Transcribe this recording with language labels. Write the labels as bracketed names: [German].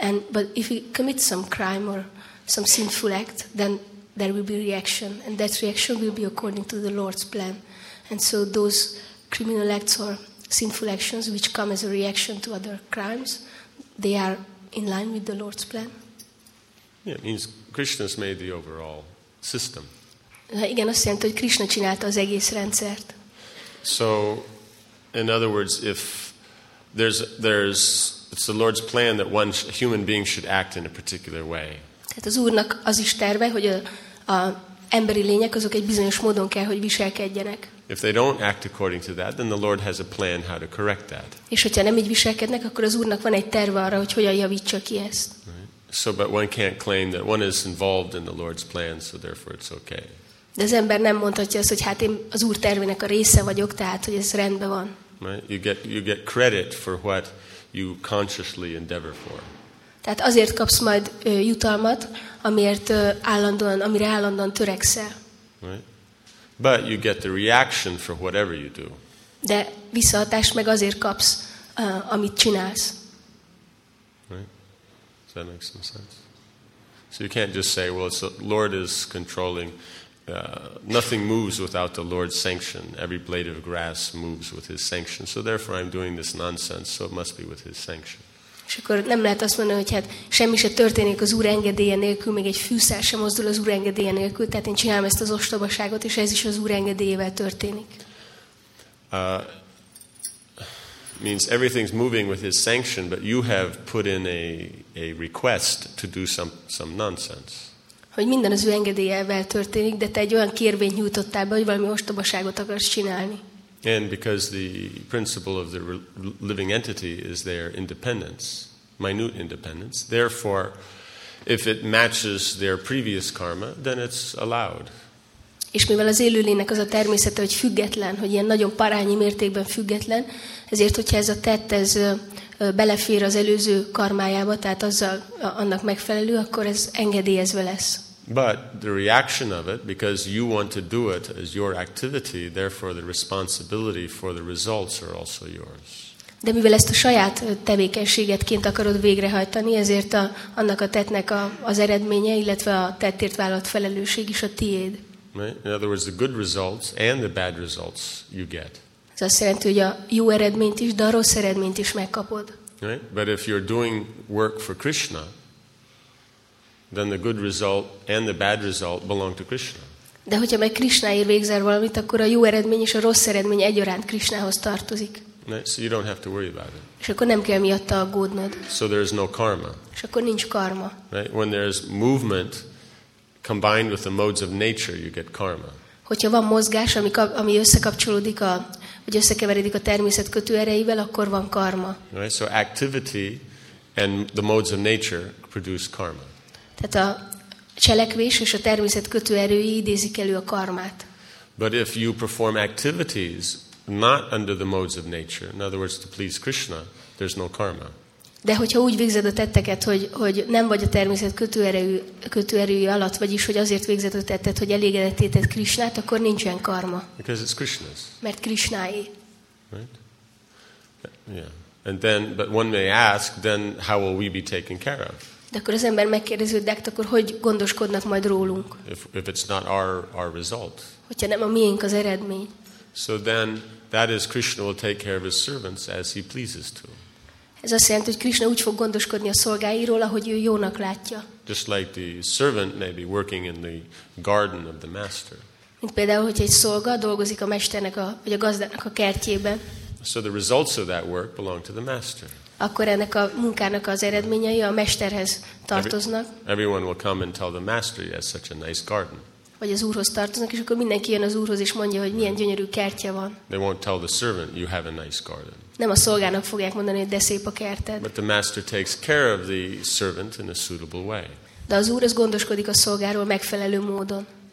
[English] But if we commit some crime or some sinful act, then there will be reaction, and that reaction will be according to the Lord's plan. And so those criminal acts or sinful actions which come as a reaction to other crimes, they are in line with the Lord's plan. Yeah, it means Krishna's made the overall system. [Hungarian] Igen, azt jelenti, hogy Krishna csinálta az egész rendszert. [English] So, in other words, if there's it's the Lord's plan that one human being should act in a particular way. [Hungarian] Tehát az Úrnak az is terve, hogy a emberi lények azok egy bizonyos módon kell, hogy viselkedjenek. [English] If they don't act according to that, then the Lord has a plan how to correct that. [Hungarian] És hogyha nem így viselkednek, akkor az Úrnak van egy terve arra, hogy hogyan javítsa ki ezt. [English] Right. So, but one can't claim that one is involved in the Lord's plan, so therefore it's okay. [Hungarian] De az ember nem mondhatja azt, hogy hát én az Úr tervének a része vagyok, tehát hogy ez rendben van. [English] Right. You get credit for what you consciously endeavor for. [Hungarian] Tehát azért kapsz majd jutalmat, amire állandóan törekszel. [English] Right. But you get the reaction for whatever you do. [Hungarian] De visszahatást meg azért kapsz, amit csinálsz. [English] Right. Does that make some sense? So you can't just say, well, it's the Lord is controlling. Nothing moves without the Lord's sanction. Every blade of grass moves with his sanction. So therefore I'm doing this nonsense, so it must be with his sanction. [Hungarian] És akkor nem lehet azt mondani, hogy hát semmi se történik az Úr engedélye nélkül, még egy fűszer sem mozdul az Úr engedélye nélkül, tehát én csinálom ezt az ostobaságot, és ez is az Úr engedélyével történik. [English] Means everything's moving with his sanction, but you have put in a request to do some nonsense. [Hungarian] hogy minden az ő engedélyével történik, de te egy olyan kérvényt nyújtottál be, hogy valami ostobaságot akarsz csinálni. [English] And because the principle of the living entity is their independence, minute independence, therefore if it matches their previous karma, then it's allowed. [Hungarian] És mivel az élőlénynek az a természete, hogy független, hogy ilyen nagyon parányi mértékben független, ezért, hogyha ez a tett, ez belefér az előző karmájába, tehát azzal, annak megfelelő, akkor ez engedélyezve lesz. [English] But the reaction of it, because you want to do it as your activity, therefore the responsibility for the results are also yours. [Hungarian] De mivel ezt a saját tevékenységedként akarod végrehajtani, ezért annak a tettnek az eredménye, illetve a tettért vállalt felelősség is a tiéd. [English] Right? In other words, the good results and the bad results you get. [Hungarian] Ez azt jelenti, hogy a jó eredményt is, de a rossz eredményt is megkapod. [English] Right? But if you're doing work for Krishna, then the good result and the bad result belong to Krishna. [Hungarian] De hogyha meg Krishnáért végzel valamit, akkor a jó eredmény és a rossz eredmény egyaránt Krishnához tartozik. [English] Right? So you don't have to worry about it. [Hungarian] És akkor nem kell miatta aggódnod. [English] So there is no karma. [Hungarian] És akkor nincs karma. [English] Right? When there is movement combined with the modes of nature, you get karma. [Hungarian] Hogyha van mozgás, ami összekapcsolódik a, vagy összekeveredik a természet kötő ereivel, akkor van karma. [English] Right? So activity and the modes of nature produce karma. [Hungarian] Tehát a cselekvés és a természet kötő erői idézik elő a karmát. [English] But if you perform activities not under the modes of nature, in other words to please Krishna, there's no karma. [Hungarian] De hogyha úgy végzed a tetteket, hogy nem vagy a természet kötőerői alatt, vagyis hogy azért végzed a tettet, hogy elégedetté tett Krishnát, akkor nincsen karma. [English] Because it's Krishna's. [Hungarian] Mert Krishnáé. [English] Right? Yeah. And then, but one may ask, then how will we be taken care of? [Hungarian] De akkor az ember megkérdezi, de akkor hogy gondoskodnak majd rólunk? [English] If it's not our result. [Hungarian] Hogyha nem a miénk az eredmény. [English] So then, that is Krishna will take care of his servants as he pleases to. [Hungarian] Ez azt jelenti, hogy Krishna úgy fog gondoskodni a szolgáiról, ahogy ő jónak látja. [English] Just like the servant may be working in the garden of the master. [Hungarian] Mint például, hogy egy szolga dolgozik a mesternek vagy a gazdának a kertjében. [English] So the results of that work belong to the master. [Hungarian] Akkor ennek a munkának az eredményei a mesterhez tartoznak. [English] Everyone will come and tell the master he has such a nice garden. [Hungarian] Vagy az úrhoz tartoznak, és akkor mindenki jön az úrhoz és mondja, hogy milyen gyönyörű kertje van. [English] They won't tell the servant you have a nice garden. [Hungarian] Nem a szolgának fogják mondani, hogy de szép a kerted. [English] But the master takes care of the servant in a suitable way. [Hungarian] De az úr az gondoskodik a szolgáról megfelelő módon.